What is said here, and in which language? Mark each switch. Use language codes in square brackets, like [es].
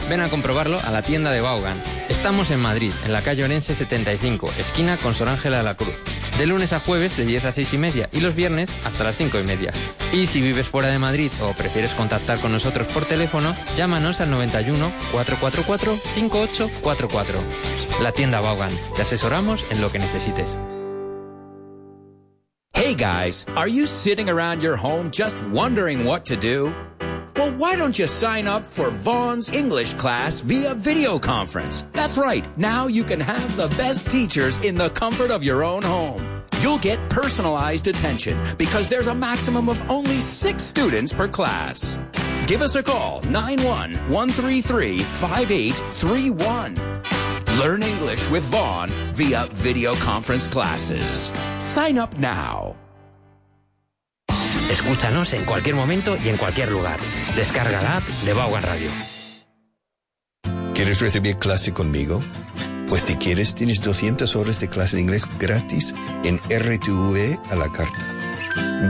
[es] Ven a comprobarlo a la tienda de Vaughan. Estamos en Madrid, en la calle Orense 75, esquina con Sor Ángela de la Cruz. De lunes a jueves de 10 a 6 y media y los viernes hasta las 5 y media. Y si vives fuera de Madrid o prefieres contactar con nosotros por teléfono, llámanos al 91-444-5844. La tienda Vaughan. Te asesoramos en lo que necesites. [en] Hey guys, are you sitting around your home just wondering what to do? Well, why don't you sign up for Vaughan's English class via video conference? That's right. Now you can have the best teachers in the comfort of your own home. You'll get personalized attention because there's a maximum of only 6 students per class. Give us a call, 91-133-5831. Learn English with Vaughan via video conference classes. Sign up now. [es] Escúchanos en cualquier momento y en cualquier lugar. Descarga la app de Vaughan Radio. ¿Quieres recibir clase conmigo? Pues si quieres, tienes 200 horas de clase de inglés gratis en RTVE a la carta.